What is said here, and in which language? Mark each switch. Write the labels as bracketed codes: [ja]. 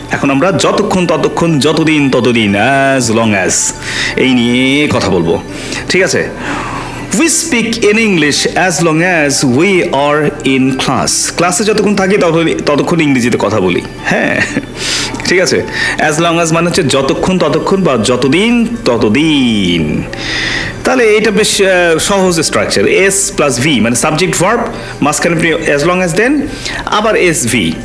[bn] এখন আমরা যতক্ষণ যতদিন as long as এই নিয়ে কথা বলবো, ঠিক আছে? [en] We speak in English as long as we are in class. [bn] ক্লাসে যতক্ষণ থাকি ততক্ষণ ইংরেজিতে কথা বলি, হ্যাঁ, ঠিক আছে? As long as মানে হচ্ছে যতক্ষণ ততক্ষণ বা যতদিন ততদিন। তাহলে এটা বেশ সহজ স্ট্রাকচার, এস প্লাস ভি মানে সাবজেক্ট ভার্ব, মাঝখানে অ্যাজ লং অ্যাজ দেন আবার এস ভি।